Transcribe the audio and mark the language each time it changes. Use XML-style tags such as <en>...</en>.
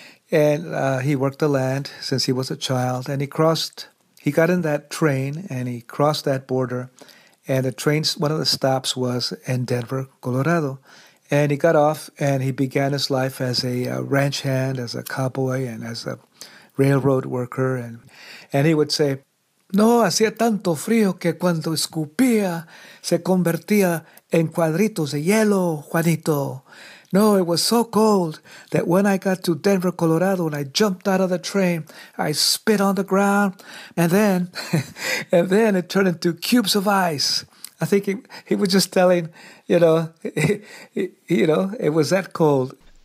<en>And he worked the land since he was a child. And he got in that train, and he crossed that border. And the train, one of the stops was in Denver, Colorado. And he got off and he began his life as a ranch hand, as a cowboy, and as a railroad worker. And he would say,</en> <es>no, hacía tanto frío que cuando escupía, se convertía en cuadritos de hielo, Juanito.</es> <en>No, it was so cold that when I got to Denver, Colorado, and I jumped out of the train, I spit on the ground, and then it turned into cubes of ice. I think he was just telling, it was that cold.</en>